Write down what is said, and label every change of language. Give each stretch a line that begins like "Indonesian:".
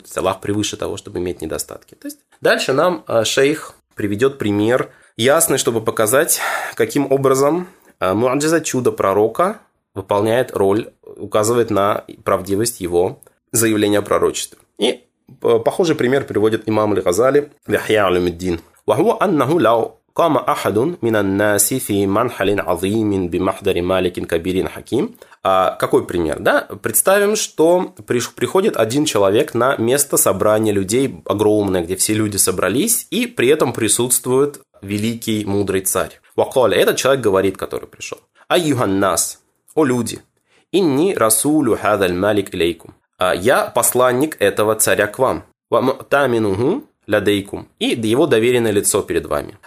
Russian: То есть, Аллах превыше того, чтобы иметь недостатки. То есть, дальше нам шейх приведет пример ясный, чтобы показать, каким образом муаджиза, чудо пророка, выполняет роль, указывает на правдивость его заявления о пророчестве. И похожий пример приводит имам аль-Газали в Ихья аль-Муддин.
Arabic: وهو انه لو قام احد من الناس في منحل عظيم بمحضر مالك كبير حكيم.
Russian: А какой пример, да? Представим, что приходит один человек на место собрания людей огромное, где все люди собрались, и при этом присутствует великий мудрый царь. وقال, этот человек говорит, который пришел.
Arabic: أيها الناس,
Russian: о люди,
Arabic: инни расулю хадаль малик илейкум,
Russian: я посланник этого царя к вам,
Arabic: вамутаминуху ладейкум,
Russian: и его доверенное лицо перед вами.